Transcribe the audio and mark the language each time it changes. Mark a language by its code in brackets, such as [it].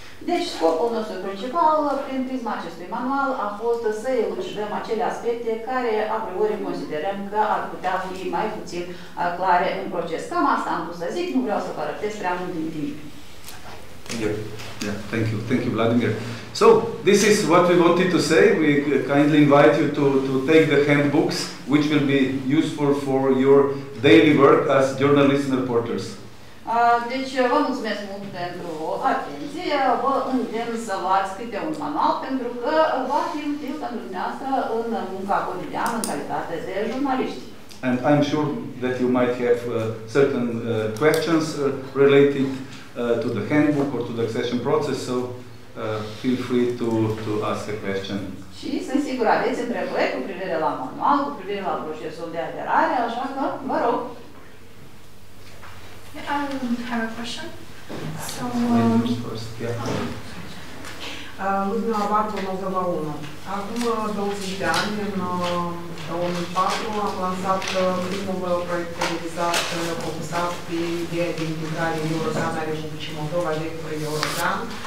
[ro] Deci scopul nostru principal, prin prisma acestui manual, a fost să elucidăm acele aspecte care a priori considerăm că ar putea fi mai puțin clare în proces. Cam asta am pus să zic, nu vreau să vă arătesc prea mult din timp. [en] Thank you, Vladimir. So this is what we wanted to say. We kindly invite you to take the handbooks, which will be useful for your daily work as journalists and reporters. [ro] Deci vă mulțumesc mult pentru atenție. Vă îndemn să luați câte un manual pentru că va fi util pentru dumneavoastră în munca cotidiană în calitate de jurnaliști. [en] And I'm sure that you might have certain questions related to the handbook or to the accession process, so feel free to ask a question. [ro] Și sunt sigur aveți întrebări cu privire la manual, cu privire la procesul de aderare, așa că vă rog. [en] I have a question. So, Ludmila Barbu, Moldova 1. [ro] Acum 20 de ani, în 2004, am lansat primul proiect realizat, focusat pe ideea de integrare europeană a Republicii Moldova, Electro European.